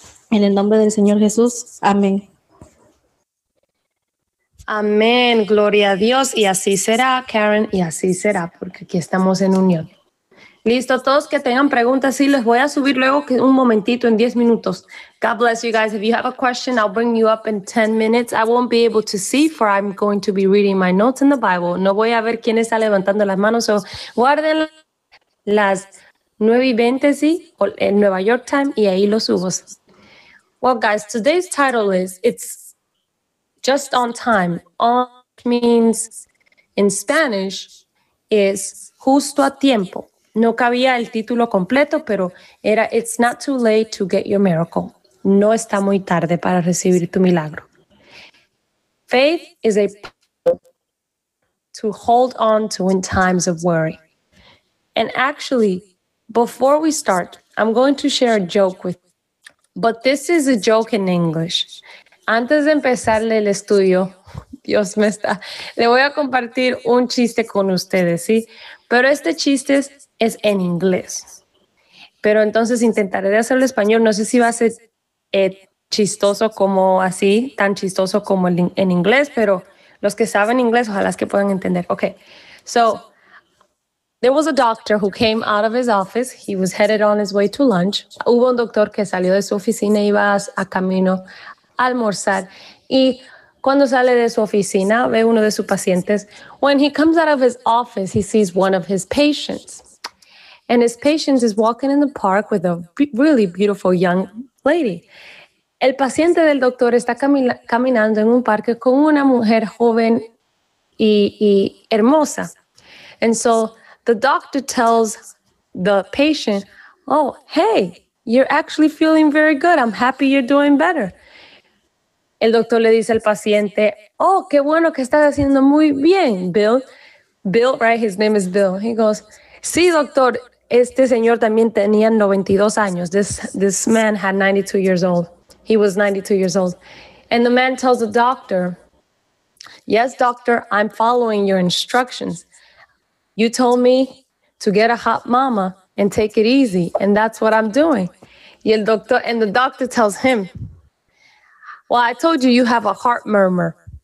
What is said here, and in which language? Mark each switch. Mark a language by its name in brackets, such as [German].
[Spanish] En el nombre del Señor Jesús. Amén. Amén. Gloria a Dios. Y así será, Karen. Y así será, porque aquí estamos en unión. Listo, todos que tengan preguntas, sí, les voy a subir luego un momentito en 10 minutos. [English] God bless you guys. If you have a question, I'll bring you up in 10 minutes. I won't be able to see, for I'm going to be reading my notes in the Bible. [Spanish] No voy a ver quién está levantando las manos. So, guarden las 9:20, sí, en Nueva York time, y ahí lo subo. [English] Well, guys, today's title is, it's just on time. On means, in Spanish, is [Spanish] justo a tiempo. No cabía el título completo, pero era [English] It's not too late to get your miracle. [Spanish] No está muy tarde para recibir tu milagro. [English] Faith is a to hold on to in times of worry. And actually, before we start, I'm going to share a joke with you. But this is a joke in English. [Spanish] Antes de empezarle el estudio, Dios me está, le voy a compartir un chiste con ustedes, ¿sí? Pero este chiste es en inglés. Pero entonces intentaré de hacerlo en español. No sé si va a ser chistoso como así, tan chistoso como en inglés, pero los que saben inglés, ojalá es que puedan entender. [English] Okay. So, there was a doctor who came out of his office. He was headed on his way to lunch. [Spanish] Hubo un doctor que salió de su oficina y iba a camino a almorzar. Y cuando sale de su oficina, ve uno de sus pacientes. [English] When he comes out of his office, he sees one of his patients. And his patient is walking in the park with a really beautiful young lady. [Spanish] El paciente del doctor está caminando en un parque con una mujer joven y hermosa. [English] And so the doctor tells the patient, oh, hey, you're actually feeling very good. I'm happy you're doing better. [Spanish] El doctor le dice al paciente, oh, qué bueno que estás haciendo muy bien, Bill. [English] Bill, right? His name is Bill. He goes, [Spanish] sí, doctor, este señor también tenía 92 años. [English] This man had 92 years old. He was 92 years old. And the man tells the doctor, yes, doctor, I'm following your instructions. You told me to get a hot mama and take it easy, and that's what I'm doing. [Spanish] Y el doctor, [English] and the doctor tells him, well, I told you you have a heart murmur.